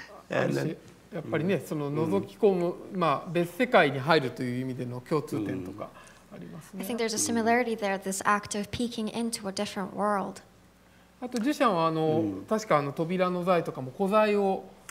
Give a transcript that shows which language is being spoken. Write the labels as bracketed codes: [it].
[en] and then, [ja] やっぱりね、その覗き込む、まあ別世界に入るという意味での共通点とかありますね。 [en] I think there's a similarity there, this act of peeking into a different world. [ja] あとデュシャンは確か扉の材とかも古材を